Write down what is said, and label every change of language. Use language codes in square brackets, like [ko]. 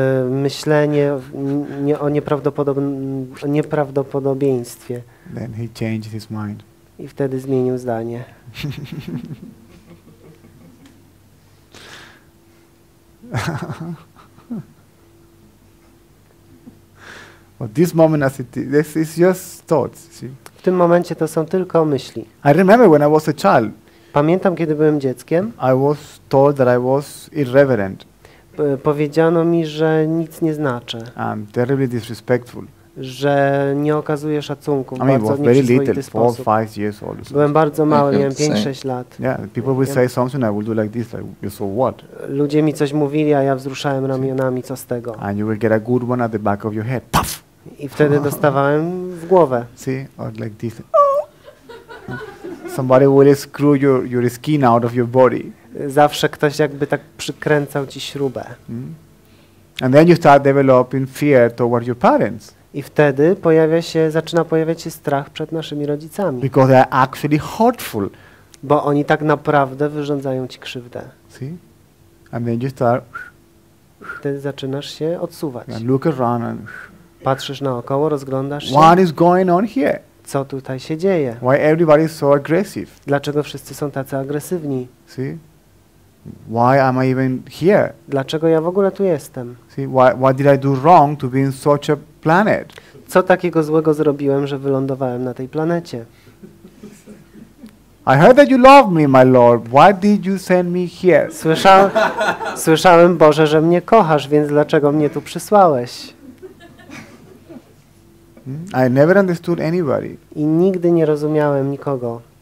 [pl] myślenie o nieprawdopodobieństwie. [en] Then he changed his mind. [pl] I wtedy zmienił zdanie. [en] But this moment, as it is, is just thoughts. See? [pl] W tym momencie to są tylko myśli. [en] I remember when I was a child. [pl] Pamiętam, kiedy byłem dzieckiem. [en] I was told that I was irreverent. [pl] Powiedziano mi, że nic nie znaczę. [en] I'm terribly disrespectful. [pl] Że nie okazuję szacunku. [en] I mean, was very little, 4-5 years old. [pl] Byłem bardzo mały, miałem 5-6 lat. [en] Yeah, people would say something, I would do like this, like, so what? [pl] Ludzie mi coś mówili, a ja wzruszałem ramionami, co z tego? [en] And you will get a good one at the back of your head. Puff! [pl] I wtedy dostawałem w głowę. [en] See, or like this. Somebody will screw your skin out of your body. [pl] Zawsze ktoś jakby tak przykręcał ci śrubę. [en] And then you start developing fear toward your parents. [pl] I wtedy zaczyna pojawiać się strach przed naszymi rodzicami. [en] Because they are actually hurtful. [pl] Bo oni tak naprawdę wyrządzają ci krzywdę. [en] See? And then you start. [pl] Wtedy zaczynasz się odsuwać. [en] And look around and [pl] patrzysz naokoło, rozglądasz się. [en] What is going on here? [pl] Co tutaj się dzieje? [en] Why everybody is so aggressive? [pl] Dlaczego wszyscy są tacy agresywni? [en] See? Why am I even here? [pl] Dlaczego ja w ogóle tu jestem? [en] See, what did I do wrong to be in such a planet? [pl] Co takiego złego zrobiłem, że wylądowałem na tej planecie? [en] I heard that you love me, my Lord. Why did you send me here? [pl] Słyszałem, Boże, że mnie kochasz, więc dlaczego mnie tu przysłałeś? [en] I never understood anybody. [pl] I nigdy nie rozumiałem nikogo.